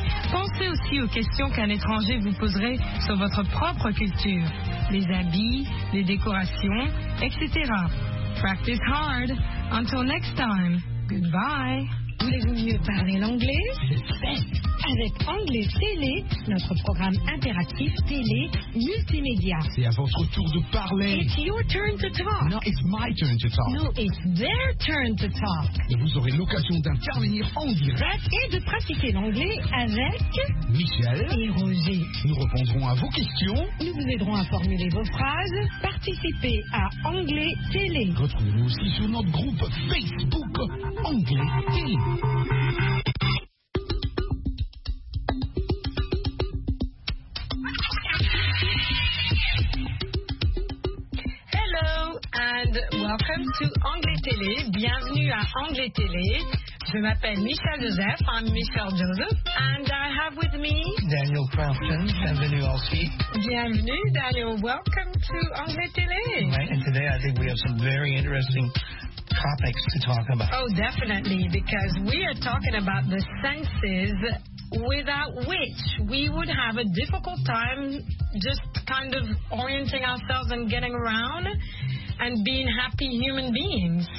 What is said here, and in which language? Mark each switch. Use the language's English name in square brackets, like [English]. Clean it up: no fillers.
[French] Pensez aussi aux questions qu'un étranger vous poserait sur votre propre culture, les habits, les décorations, etc. [English] Practice hard. Until next time. Goodbye. [French] Voulez-vous mieux parler l'anglais? Ben, avec Anglais Télé, notre programme interactif télé multimédia. C'est à votre tour de parler. [English] It's your turn to talk. No, it's my turn to talk. No, it's their turn to talk. [French] Et vous aurez l'occasion d'intervenir en direct. Et de pratiquer l'anglais avec... Michel. Et Roger. Nous répondrons à vos questions. Nous vous aiderons à formuler vos phrases. Participez à Anglais Télé. Retrouvez-nous aussi sur notre groupe Facebook Anglais Télé. [English] Hello and welcome to Anglais Télé. [French] Bienvenue à Anglais Télé. Je m'appelle Michel Joseph. [English] I'm Michel Joseph. And I have with me [French] Daniel Crafton. Bienvenue aussi. Bienvenue, Daniel. [English] Welcome to Anglais Télé. Right, and today I think we have some very interesting topics to talk about. Oh, definitely, because we are talking about the senses without which we would have a difficult time just kind of orienting ourselves and getting around and being happy human beings.